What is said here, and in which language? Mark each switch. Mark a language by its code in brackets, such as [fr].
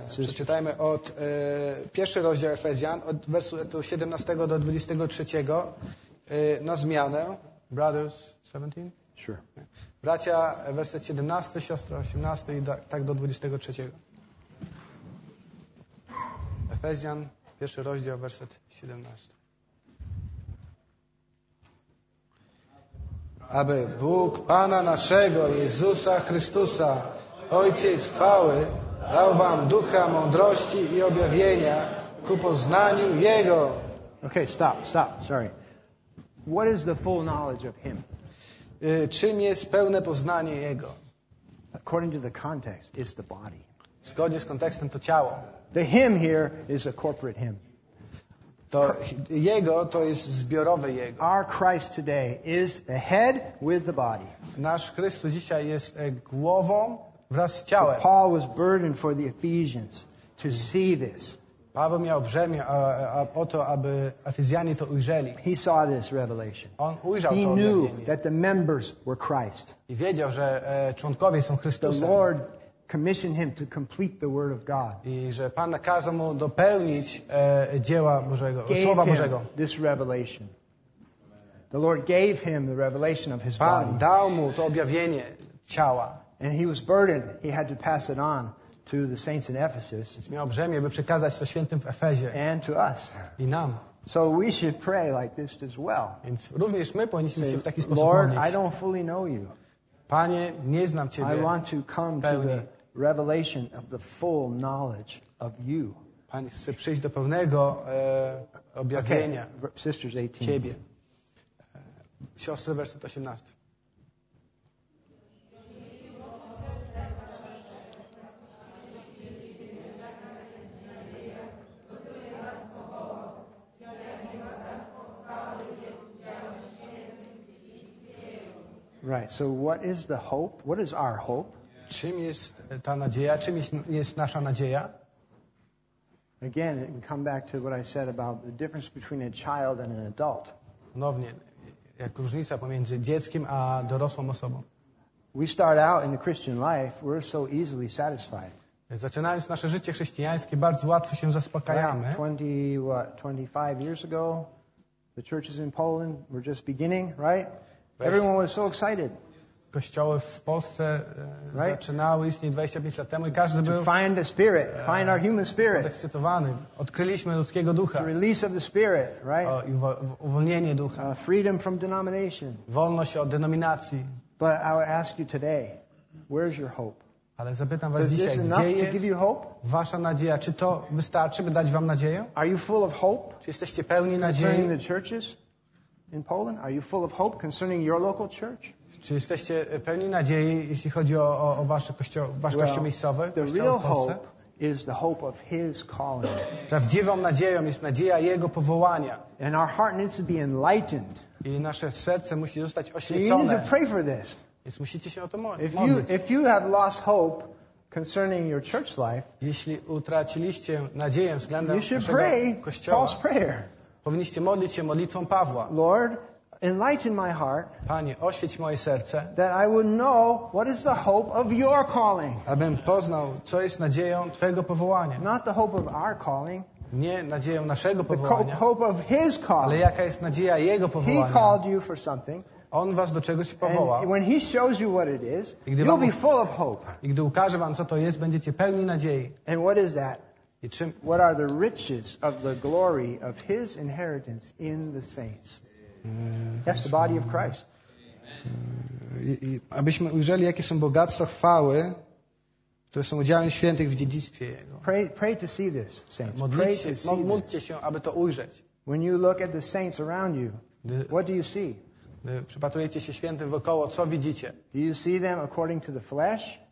[pl] Przeczytajmy od pierwszy rozdział Efezjan, od wersetu 17-23 na zmianę. [en] Brothers, 17? Sure. [pl] Bracia, werset 17, siostra 18 i tak do 23. Efezjan, pierwszy rozdział, werset 17. Aby Bóg Pana naszego Jezusa Chrystusa, Ojciec chwały, dał wam ducha mądrości i objawienia ku poznaniu Jego. [en] Okay, stop, sorry. What is the full knowledge of Him? [pl] Czym jest pełne poznanie Jego? [en] According to the context, it's the body. [pl] Zgodnie z kontekstem to ciało. [en] The Him here is a corporate Him. [pl] To Jego to jest zbiorowe Jego. [en] Our Christ today is the head with the body. [pl] Nasz Chrystus dzisiaj jest głową wraz z ciałem. [en] So Paul was burdened for the Ephesians to see this. [pl] Paweł miał brzemię o to, aby Efezjanie to ujrzeli. [en] He saw this revelation. [pl] On ujrzał [en] he [pl] to [en] knew that the members were Christ. [pl] I wiedział, że członkowie są Chrystusem. [en] The Lord commissioned him to complete the word of God. [pl] I że Pan nakazał mu dopełnić dzieła Bożego, słowa Bożego. [en] This revelation. The Lord gave him the revelation of his [pl] Pan [en] body. [pl] Dał mu to objawienie ciała. [en] And he was burdened. He had to pass it on to the saints in Ephesus. [pl] Miał brzemię, by przekazać to świętym w Efezie. [en] And to us. [pl] I nam. [en] So we should pray like this as well. [pl] Więc również my powinniśmy się w taki sposób [en] Lord, [pl] modlić. [en] I don't fully know you. [pl] Panie, nie znam Ciebie. [en] I want to come [pl] pełni. [en] To the revelation of the full knowledge of you. [pl] Panie, chcę przyjść do pełnego objawienia [en] okay. Sisters 18. [pl] Ciebie. Siostry, werset 18. [en] Right. So what is the hope? What is our hope? [pl] Czym jest ta nadzieja? Czym jest nasza nadzieja? [en] Again, come back to what I said about the difference between a child and an adult. [pl] Ponownie, jak różnica pomiędzy dzieckiem a dorosłą osobą. [en] We start out in the Christian life, we're so easily satisfied. [pl] Zaczynając nasze życie chrześcijańskie, bardzo łatwo się zaspokajamy. [en] 25 years ago, the churches in Poland were just beginning, right? Everyone was so excited. [pl] Kościoły w Polsce [en] right? [pl] zaczynały istnieć 25 lat temu i każdy to był [en] find the spirit, find our human spirit. [pl] Podekscytowany. Odkryliśmy ludzkiego ducha. [en] The release of the spirit, right? [pl] Uwolnienie ducha. [en] Freedom from denomination. [pl] Wolność od denominacji. [en] But I would ask you today, where's your hope? [pl] Ale zapytam was dzisiaj, gdzie jest wasza nadzieja? Czy to wystarczy, by dać wam nadzieję? [en] Are you full of hope? [pl] Czy jesteście pełni nadziei? [en] Concerning the churches in Poland? Are you full of hope concerning your local church? [pl] Czy jesteście pełni nadziei, jeśli chodzi o wasze kościoły, wasz kościół miejscowy? [en] The real hope is the hope of His calling. [pl] Prawdziwą nadzieją jest nadzieja Jego powołania. [en] And our heart needs to be enlightened. [pl] I nasze serce musi zostać oświecone. [en] So you need to pray for this. [pl] Więc musicie się o to modlić. [en] If you have lost hope concerning your church life, [pl] jeśli utraciliście nadzieję względem [en] you should pray [pl] kościoła, [en] Paul's prayer. [pl] Powinniście modlić się modlitwą Pawła. [en] Lord, enlighten my heart, [pl] Panie, oświeć moje serce, [en] that I would know what is the hope of your calling. [pl] Abym poznał, co jest nadzieją Twojego powołania. [en] Not the hope of our calling. [pl] Nie nadzieją naszego powołania. [en] The hope of His calling. [pl] Ale jaka jest nadzieja Jego powołania? [en] He called you for something. [pl] On was do czegoś powołał. [en] When he shows you what it is, you'll be full of hope. [pl] I gdy ukaże wam, co to jest, będziecie pełni nadziei. [en] And what is that? [pl] I czym? [en] What are the riches of the glory of his inheritance in the saints? That's the body of Christ. [pl] Abyśmy ujrzeli, jakie są bogactwa chwały, które są udziałem świętych w dziedzictwie jego. [en] Pray to see this, saints. [pl] Módlcie się, aby to ujrzeć. [en] When you look at the saints around you, what do you see? [pl] Przypatrujecie się świętym wokoło, co widzicie? [en] Do you see them according to the flesh?